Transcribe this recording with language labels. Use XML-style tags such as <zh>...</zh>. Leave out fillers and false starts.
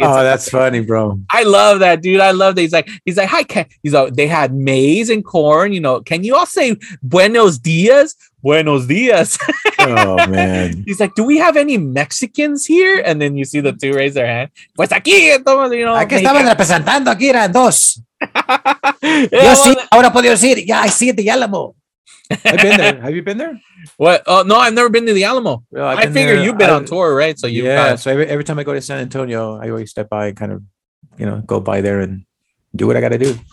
<en>it's, oh, that's funny, bro. I love that, dude. I love that. He's like, hi, Ken. He's like, they had maize and corn. You know, can you all say</en> <es>buenos dias? Buenos dias.</es> <en>Oh, man. He's like, do we have any Mexicans here? And then you see the two raise their hand.</en> <es>Pues aquí,</es> <en>you know,</en> <es>aquí estaban representando, aquí eran dos.</es> <en>Yeah, well,</en> <es>sí, ahora puedo decir,</es> <en>yeah, I see the Alamo. I've been there. Have you been there? What? No, I've never been to the Alamo. Well, I figure you've been on tour, right? So So every time I go to San Antonio, I always step by and kind of, you know, go by there and do what I got to do.</en>